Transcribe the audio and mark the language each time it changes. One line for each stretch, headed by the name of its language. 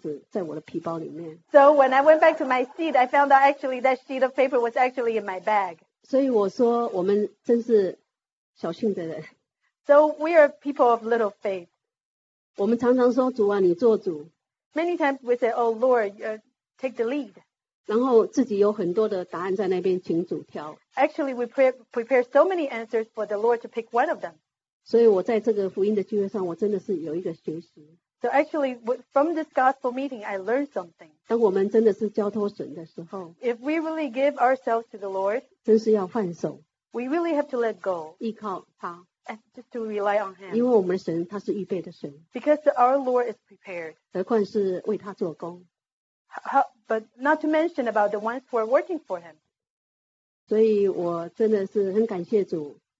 Chinese: 回到座位的时候，我发现我那张纸在我的皮包里面。
English: So when I went back to my seat, I found out actually that sheet of paper was actually in my bag.
Chinese: 所以我说我们真是小信的人。
English: So we are people of little faith.
Chinese: 我们常常说主啊，你做主。
English: Many times we say, "Oh Lord, take the lead."
Chinese: 然后自己有很多的答案在那边，请主挑。
English: Actually, we prepare so many answers for the Lord to pick one of them.
Chinese: 所以我在这个福音的聚会上，我真的是有一个学习。
English: So actually, from this gospel meeting, I learned something.
Chinese: 当我们真的是交托神的时候,
English: if we really give ourselves to the Lord,
Chinese: 真是要放手,
English: we really have to let go.
Chinese: 依靠他,
English: and just to rely on Him.
Chinese: 因为我们的神,
English: because our Lord is prepared.
Chinese: 何况是为他做工,
English: how, but not to mention about the ones who are working for Him.
Chinese: 所以我真的是很感谢主,